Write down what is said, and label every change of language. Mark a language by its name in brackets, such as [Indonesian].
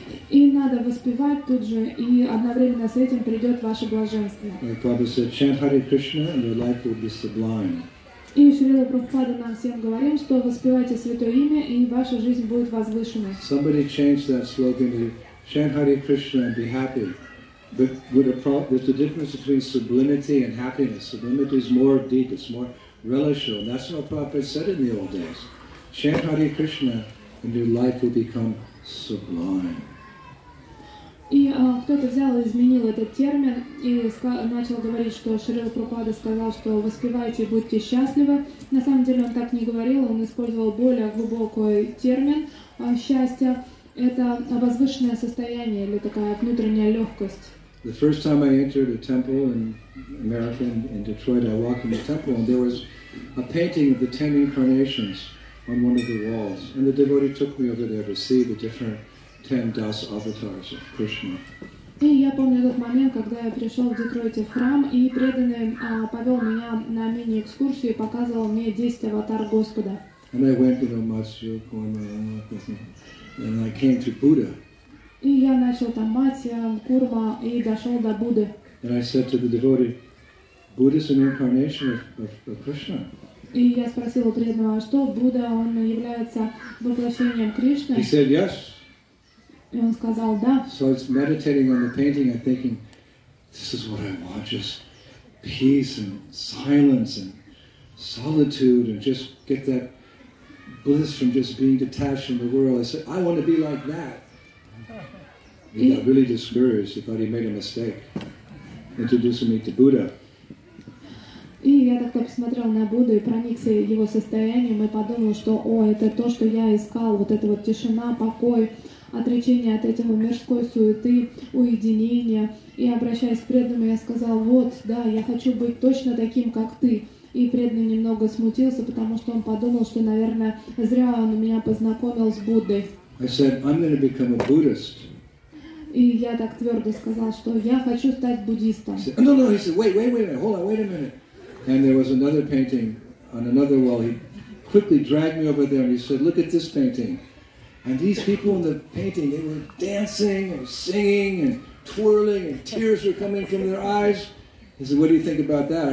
[Russian] И надо воспевать тут же, и одновременно с этим придет ваше блаженство. [English] Like Prabhupada said, chant Hare Krishna and your life will be sublime. [Russian] И Шрила Прабхупада нам всем говорим, что воспевайте Святое Имя, и ваша жизнь будет возвышенной. [English] Somebody changed that slogan to chant Hare Krishna and be happy. But there's a difference between sublimity and happiness. Sublimity is more deep, it's more relishable. And that's what Prabhupada said in the old days. Chant Hare Krishna and your life will become sublime. [Russian] И кто-то взял и изменил этот термин и начал говорить, что Шрила Прабхупада сказал, что воспевайте и будьте счастливы. На самом деле он так не говорил, он использовал более глубокий термин счастья. Это возвышенное состояние или такая внутренняя легкость. [English] The first time I entered a temple in America, in Detroit, I walked in the temple and there was a painting of the 10 incarnations on one of the walls. And the devotee took me over there to see the different 10 das avatars of Krishna. [Russian] И я помню этот момент, когда я пришел в Детройте в храм, и преданный повел меня на мини-экскурсию и показывал мне 10 аватар Господа. [English] And I went to the Matsya, Kurma, and I came to Buddha. [Russian] И я начал там Матсья, Курма, и дошел до Будды. [English] And I said to the devotee, Buddha is an incarnation of Krishna. [Russian] И я спросил у преданного, что Будда, он является воплощением Кришны? [English] He said, yes. [Russian] И он сказал, да. [English] So I was meditating on the painting and thinking, this is what I want, just peace and silence and solitude and just get that bliss from just being detached from the world. I said, I want to be like that. He got really discouraged. He thought he made a mistake. Introducing me to Buddha. [Russian] И я так-то посмотрел на Будду и проникся его состоянием и подумал, что, о, это то, что я искал, вот эта вот тишина, покой, отречение от этого мирской суеты, уединения. И обращаясь к преданному, я сказал, вот, да, я хочу быть точно таким, как ты. И преданный немного смутился, потому что он подумал, что, наверное, зря он меня познакомил с Буддой. [English] I said, I'm going to become a Buddhist. [Russian] И я так твердо сказал, что я хочу стать буддистом. [English] He said, no, he said, wait, hold on, wait a minute. And there was another painting on another wall. He quickly dragged me over there and he said, look at this painting. And these people in the painting, they were dancing and singing and twirling and tears were coming from their eyes. He said, what do you think about that?